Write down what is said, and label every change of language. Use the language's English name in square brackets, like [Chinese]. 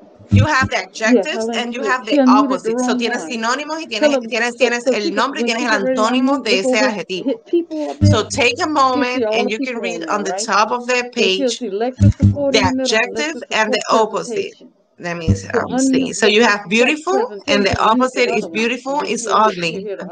[English] You have the adjectives and you have the opposite. [Spanish] So tienes sinónimos y tienes el nombre y tienes el antónimo de ese adjetivo. [English] So take a moment and you can read on the top of the page the adjective and the opposite. Let me see. So you have beautiful and the opposite is beautiful is ugly.